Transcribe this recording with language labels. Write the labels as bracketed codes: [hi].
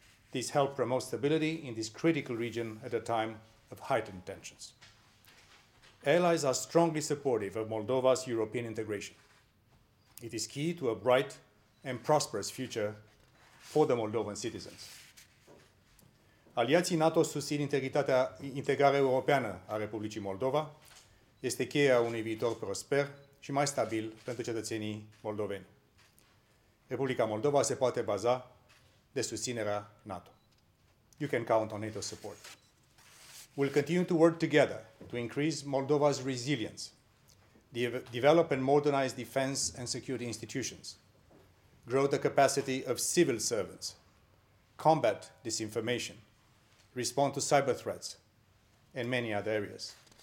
[en] This helped promote stability in this critical region at a time of heightened tensions. Allies are strongly supportive of Moldova's European integration. It is key to a bright and prosperous future for the Moldovan citizens. [ro] Aliații NATO susțin integrarea europeană a Republicii Moldova, este cheia unui viitor prosper și mai stabil pentru cetățenii moldoveni. Republica Moldova se poate baza de susținerea NATO. [en] You can count on NATO support. We'll continue to work together to increase Moldova's resilience, develop and modernize defense and security institutions, grow the capacity of civil servants, combat disinformation, respond to cyber threats, and many other areas.